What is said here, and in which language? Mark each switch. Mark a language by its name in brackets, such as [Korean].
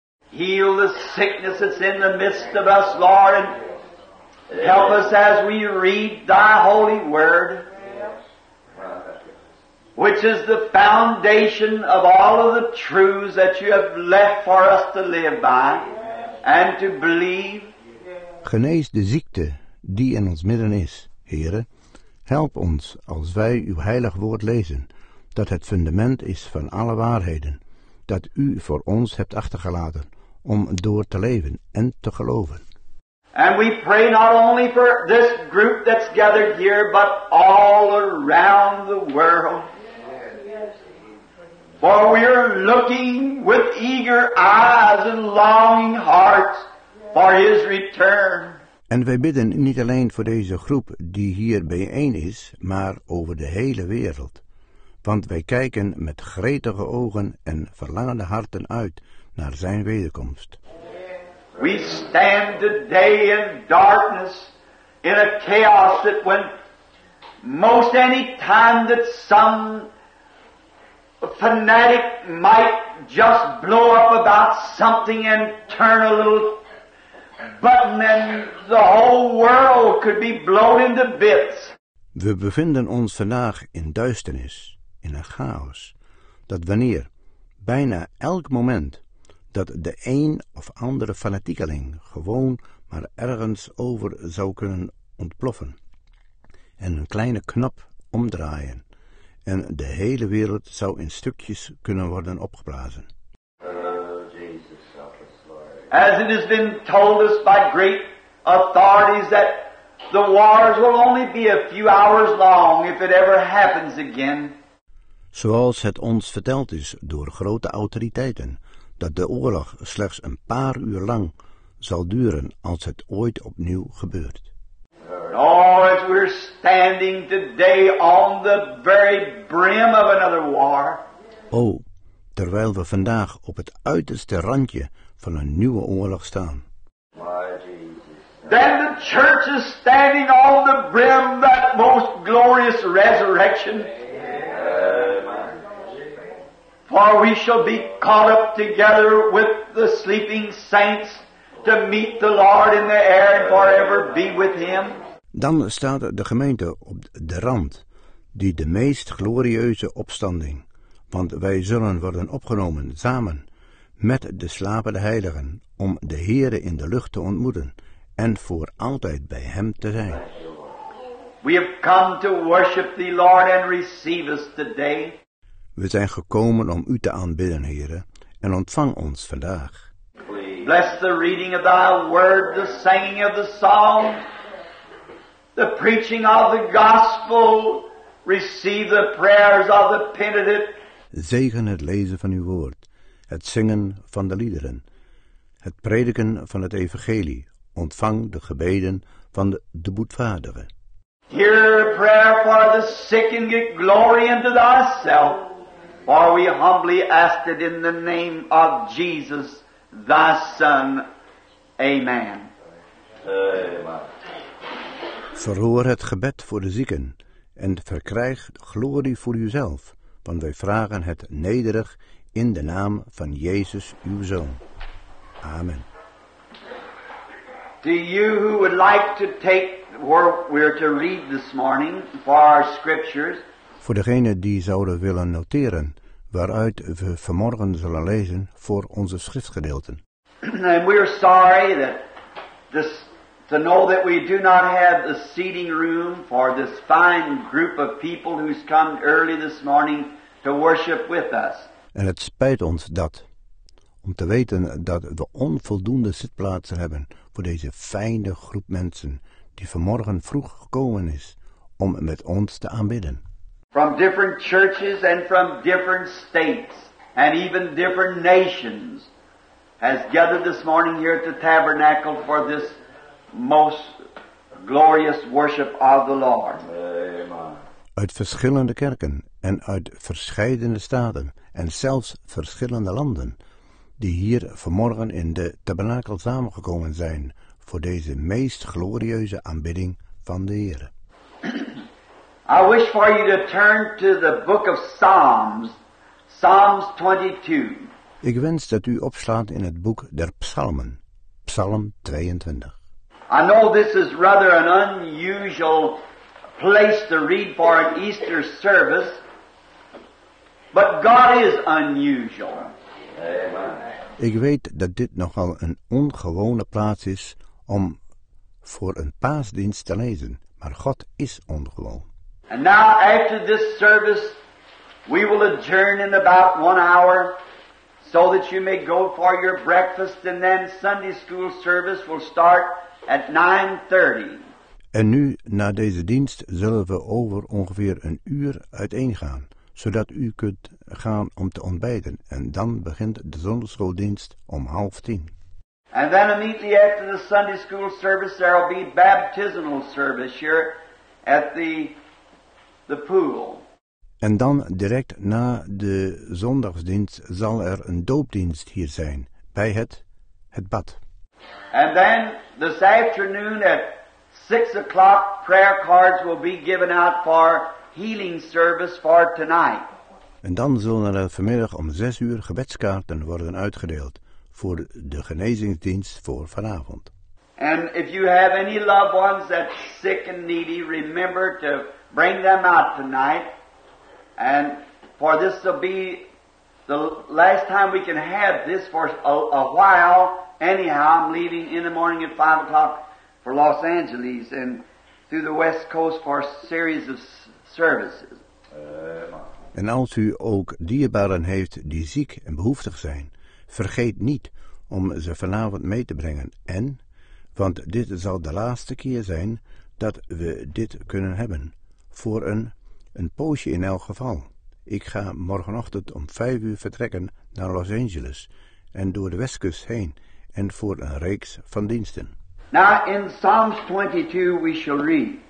[English] Heal the sickness that's in the midst of us, Lord, and help us as we read thy holy word, which is the foundation of all of the truths that you have left for us to live by and to believe. [Dutch] Genees de ziekte die in ons midden is, Heere. Help ons als wij uw heilig woord lezen, dat het fundament is van alle waarheden, dat u voor ons hebt achtergelaten, om door te leven en te geloven. [English] And we pray not only for this group that's gathered here, but all around the world. For we are looking with eager eyes and longing hearts for his return. [Dutch] En wij bidden niet alleen voor deze groep die hier bijeen is, maar over de hele wereld. Want wij kijken met gretige ogen en verlangende harten uit naar zijn wederkomst. [English] We stand today in darkness, in a chaos that when most any time that some fanatic might just blow up about something and turn a little button and the whole world could be blown into bits. [Dutch] We bevinden ons vandaag in duisternis, in een chaos, dat wanneer, bijna elk moment, dat de een of andere fanatiekeling gewoon maar ergens over zou kunnen ontploffen en een kleine knop omdraaien en de hele wereld zou in stukjes kunnen worden opgeblazen. [English] As it has been told us by great authorities that the waters will only be a few hours long if it ever happens again. [Dutch] Zoals het ons verteld is door grote autoriteiten, dat de oorlog slechts een paar uur lang zal duren als het ooit opnieuw gebeurt. [English] Oh, as we're standing today on the very brim of another war. [Dutch] Oh, terwijl we vandaag op het uiterste randje van een nieuwe oorlog staan. [English] Then the church is standing on the brim of that most glorious resurrection. For we shall be caught up together with the sleeping saints to meet the Lord in the air and forever be with him. [Dutch] Dan staat de gemeente op de rand, die de meest glorieuze opstanding, want wij zullen worden opgenomen samen met de slapende heiligen om de Heere in de lucht te ontmoeten en voor altijd bij hem te zijn. [English] We have come to worship thee, Lord, and receive us today. [Dutch] We zijn gekomen om u te aanbidden, Heere, en ontvang ons vandaag. [English] Bless the reading of thy word, the singing of the psalm, the preaching of the gospel, receive the prayers of the penitent. [Dutch] Zegen het lezen van uw woord, het zingen van de liederen, het prediken van het evangelie, ontvang de gebeden van de boetvaardigen. [English] Hear a prayer for the sick and get glory unto thyself. For we humbly ask it in the name of Jesus, thy Son. Amen. [Dutch] Verhoor het gebed voor de zieken en verkrijg glorie voor uzelf, want wij vragen het nederig in de naam van Jezus, uw Zoon. Amen. [English] To you who would like to take what we're to read this morning for our scriptures. [Dutch] Voor degenen die zouden willen noteren waaruit we vanmorgen zullen lezen voor onze schriftgedeelten. [English] And we are sorry that this, to know that we do not have the seating room for this fine group of people who's come early this morning to worship with us. [Dutch] En het spijt ons dat, om te weten dat we onvoldoende zitplaatsen hebben voor deze fijne groep mensen die vanmorgen vroeg gekomen is om met ons te aanbidden. [English] From different churches and from different states and even different nations has gathered this morning here at the tabernacle for this most glorious worship of the Lord. Amen. [Dutch] Uit verschillende kerken en uit verscheidene staten en zelfs verschillende landen die hier vanmorgen in de tabernakel samengekomen zijn voor deze meest glorieuze aanbidding van de Heere. [English] I wish for you to turn to the book of Psalms, Psalms 22. [Dutch] Ik wens dat u opslaat in het boek der Psalmen, Psalm 22. [English] I know this is rather an unusual place to read for an Easter service, but God is unusual. [Dutch] Ik weet dat dit nogal een ongewone plaats is om voor een paasdienst te lezen, maar God is ongewoon. [English] And now after this service, we will adjourn in about 1 hour, so that you may go for your breakfast, and then Sunday school service will start at 9:30. [Dutch] En nu, na deze dienst, zullen we over ongeveer een uur uiteengaan, zodat u kunt gaan om te ontbijten, en dan begint de zondagsschooldienst om 9:30. [English] And then immediately after the Sunday school service, there will be baptismal service here at the pool. [Dutch] En dan direct na de zondagsdienst zal er een doopdienst hier zijn bij het bad. [English] And then this afternoon at 6 o'clock, prayer cards will be given out for healing service for tonight. [Dutch] En dan zullen er vanmiddag om 6 uur gebedskaarten worden uitgedeeld voor de genezingsdienst voor vanavond. [English] And if you have any loved ones that's sick and needy, remember to bring them out tonight. And for this will be the last time we can have this for a while. Anyhow, I'm leaving in the morning at 5 o'clock for Los Angeles. And through the West Coast for a series of services. [Dutch] En als u ook dierbaren heeft die ziek en behoeftig zijn, vergeet niet om ze vanavond mee te brengen. En, want dit zal de laatste keer zijn dat we dit kunnen hebben. Voor een poosje in elk geval. Ik ga morgenochtend om 5:00 vertrekken naar Los Angeles en door de Westkust heen en voor een reeks van diensten. [English] Now in Psalms 22 we shall read.